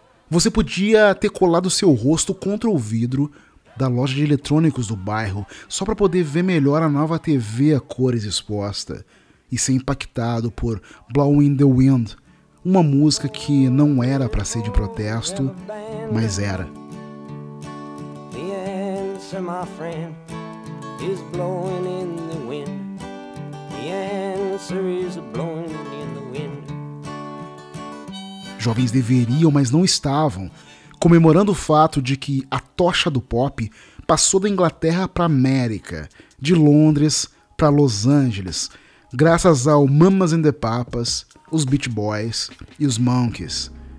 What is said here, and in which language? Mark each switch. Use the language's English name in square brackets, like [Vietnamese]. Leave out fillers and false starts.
[Portuguese] você podia ter colado seu rosto contra o vidro da loja de eletrônicos do bairro só para poder ver melhor a nova TV a cores exposta e ser impactado por Blowing the Wind, uma música que não era para ser de protesto, mas era. [English] Answer, my friend, is blowing in the wind. The answer is blowing in the wind. [Portuguese] Jovens deveriam, mas não estavam, comemorando o fato de que a tocha do pop passou da Inglaterra para a América, de Londres para Los Angeles, graças ao Mamas and the Papas, os Beach Boys e os Monkees.